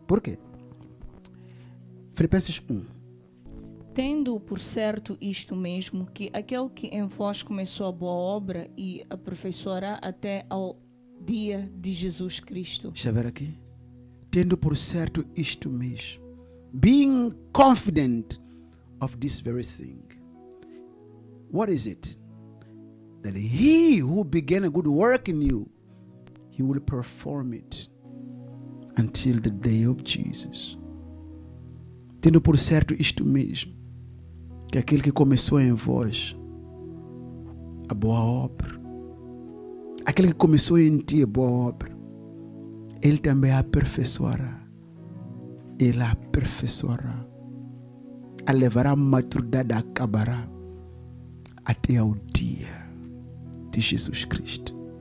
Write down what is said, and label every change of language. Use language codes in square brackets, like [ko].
[pt] Por quê? Filipenses 1. Tendo por certo isto mesmo, que aquele que em vós começou a boa obra e aperfeiçoará até ao dia de Jesus Cristo. Deixa eu ver aqui. Tendo por certo isto mesmo. [en] Being confident of this very thing. What is it? That he who began a good work in you, he will perform it until the day of Jesus. [pt] Tendo por certo isto mesmo, que aquele que começou em vós a boa obra, aquele que começou em ti a boa obra, ele também aperfeiçoará. Ele aperfeiçoará. A levará a maturidade, acabará até ao dia de Jesus Cristo.